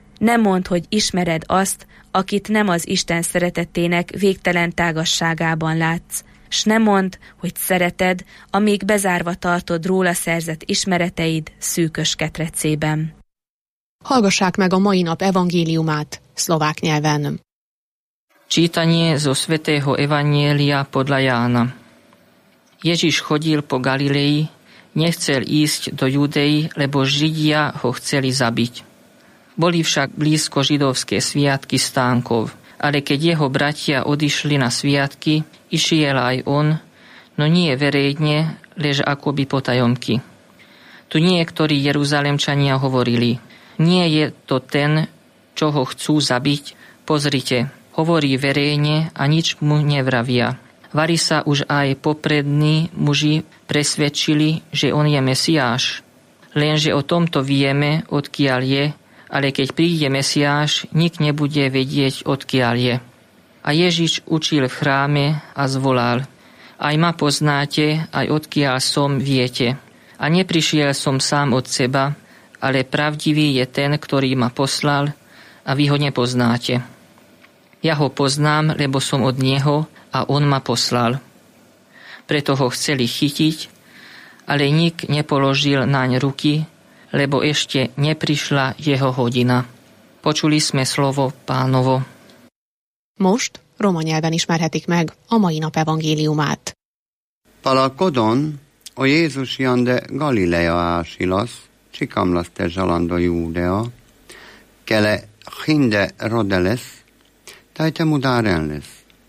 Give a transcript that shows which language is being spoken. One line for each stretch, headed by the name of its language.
Hungarian: Nem mondd, hogy ismered azt, akit nem az Isten szeretetének végtelen tágasságában látsz, s nem mondd, hogy szereted, amíg bezárva tartod róla szerzett ismereteid szűkös ketrecében. Hallgassák meg a mai nap evangéliumát szlovák nyelven.
Slovak: Čítanie zo svätého evanjelia podľa Jána. Ježiš chodil po Galilei, nechcel ísť do Judei, lebo Židia ho chceli zabiť. Boli však blízko židovské sviatky stánkov, ale keď jeho bratia odišli na sviatky, išiel aj on, no nie verejne, lež akoby potajomky. Tu niektorí Jeruzalemčania hovorili, nie je to ten, čo ho chcú zabiť, pozrite, hovorí verejne a nič mu nevravia. Vari sa už aj poprední muži presvedčili, že on je Mesiáš. Lenže o tomto vieme, odkiaľ je, ale keď príde Mesiáš, nik nebude vedieť, odkiaľ je. A Ježiš učil v chráme a zvolal. Aj ma poznáte, aj odkiaľ som, viete. A neprišiel som sám od seba, ale pravdivý je ten, ktorý ma poslal, a vy ho nepoznáte. Ja ho poznám, lebo som od neho, a on ma poslal. Preto ho chceli chytiť, ale nik nepoložil naň ruky, lebo ešte neprišla jeho hodina. Počuli sme slovo Pánovo.
Hungarian: Most roma nyelven ismerhetik meg a mai nap evangéliumát.
Romany: Palakodon o Jézus jande Galilea ásilas, csikamlas te zsalando Júdea, kele chinde rodeles, tajte mudáren lesz.